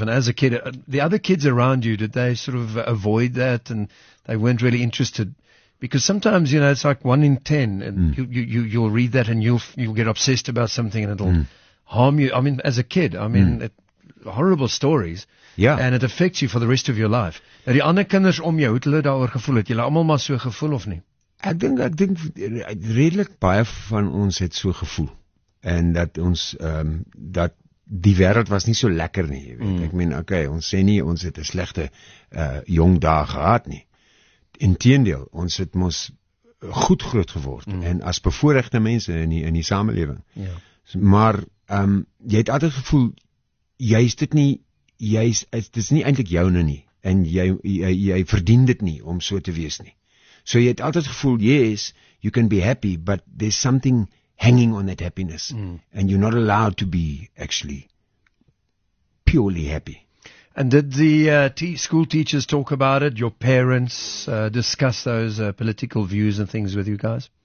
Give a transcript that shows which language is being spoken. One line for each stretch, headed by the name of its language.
English: And as a kid, the other kids around you, did they sort of avoid that and they weren't really interested? Because sometimes, you know, it's like 1 in 10, and you'll read that and you'll get obsessed about something and it'll harm you. I mean, as a kid, I mean, horrible stories. Yeah. And it affects you for the rest of your life.
Afrikaans: Nou, die ander kinders om jou, hoe het hulle daaroor gevoel? Het julle allemaal maar so gevoel of nie? Ek dink redelijk baie van ons het so gevoel. En dat ons, dat die wereld was nie so lekker nie. Weet. Ek meen, okay, ons sê nie, ons het 'n slechte jong dag gehad nie. Inteendeel, ons het mos goed groot geword, en as bevoorregte mense in die samelewing. Ja. Maar, jy het altyd gevoel, jy is dit nie, dit is nie eintlik joune nie, en jy verdien dit nie, om so te wees nie. So jy het altyd gevoel,
English: yes, you can be happy, but there's something hanging on that happiness, and you're not allowed to be actually purely happy. And did the school teachers talk about it? Your parents discuss those political views and things with you guys?